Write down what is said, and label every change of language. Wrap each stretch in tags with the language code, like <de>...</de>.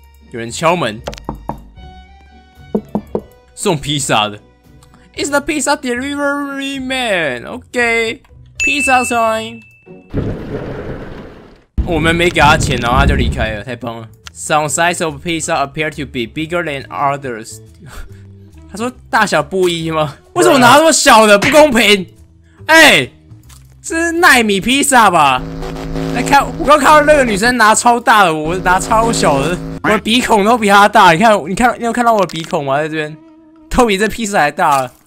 <zh>有人敲门，送披萨的。</zh> <en>It's the pizza delivery man. OK， pizza time.</en> <zh>我们没给他钱，然后他就离开了，太棒了。</zh> <en>Some size of pizza appear to be bigger than others。</en> <zh>他说大小不一吗？为什么拿那么小的？不公平！这是奈米披萨吧？来看，我刚看到那个女生拿超大的，我拿超小的，我的鼻孔都比她大。你有看到我的鼻孔吗？在这边，都比这披萨还大了。</zh>